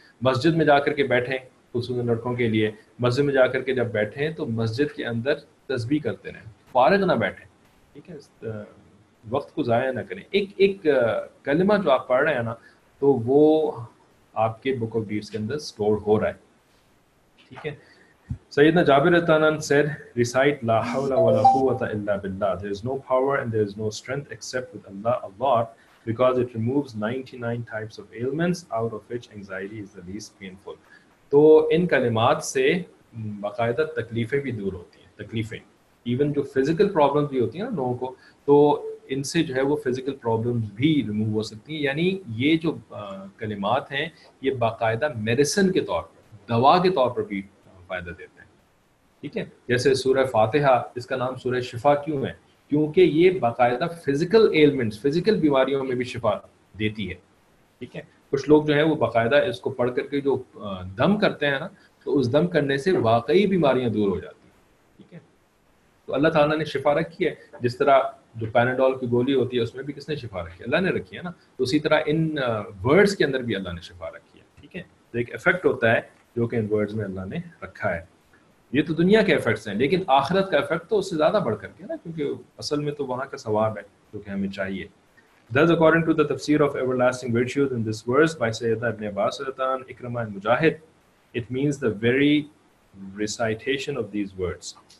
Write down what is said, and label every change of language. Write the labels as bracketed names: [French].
[Urdu] مسجد میں جا کر کے بیٹھیں, خصوصاً لڑکوں کے لیے مسجد میں جا کر کے جب بیٹھیں تو مسجد کے اندر تسبیح کرتے رہیں, فارغ نہ بیٹھیں, ٹھیک ہے, وقت کو ضائع نہ کریں. ایک ایک کلمہ جو آپ پڑھ رہے ہیں نا تو وہ آپ کے [English] book of deeds [Urdu] کے اندر سٹور ہو رہا ہے, ٹھیک ہے. [English] سیدنا جابر رضی اللہ عنہ said, recite [Arabic] لا حول ولا قوۃ الا باللہ, [English] there is no power and there is no strength except with Allah a lot, because it removes 99 types of ailments out of which anxiety is the least painful. [Urdu] تو ان کلمات سے باقاعدہ تکلیفیں بھی دور ہوتی ہیں, تکلیفیں ایون جو فزیکل پرابلمس بھی ہوتی ہیں نا لوگوں کو, تو ان سے جو ہے وہ فزیکل پرابلمس بھی ریمو ہو سکتی ہیں. یعنی یہ جو کلمات ہیں یہ باقاعدہ میڈیسن کے طور پر, دوا کے طور پر بھی فائدہ دیتے ہیں, ٹھیک ہے. جیسے سورہ فاتحہ, اس کا نام سورہ شفا کیوں ہے, کیونکہ یہ باقاعدہ فزیکل ایلمنٹس, فزیکل بیماریوں میں بھی شفا دیتی ہے, ٹھیک ہے. کچھ لوگ جو ہیں وہ باقاعدہ اس کو پڑھ کر کے جو دم کرتے ہیں نا تو اس دم کرنے سے واقعی بیماریاں دور ہو جاتی ہیں, ٹھیک ہے. تو اللہ تعالیٰ نے شفا رکھی ہے, جس طرح جو پیناڈول کی گولی ہوتی ہے اس میں بھی کس نے شفا رکھی ہے, اللہ نے رکھی ہے نا, تو اسی طرح ان ورڈز کے اندر بھی اللہ نے شفا رکھی ہے, ٹھیک ہے. تو ایک افیکٹ ہوتا ہے جو کہ ان ورڈز میں اللہ نے رکھا ہے. یہ تو دنیا کے افیکٹس ہیں, لیکن آخرت کا افیکٹ تو اس سے زیادہ بڑھ کر کے نا, کیونکہ اصل میں تو وہاں کا ثواب ہے جو کہ ہمیں چاہیے. [English] Thus, according to the tafsir of everlasting virtues in this verse by Sayyidina Ibn Abbas Radhan, Ikrama and Mujahid, it means the very recitation of these words.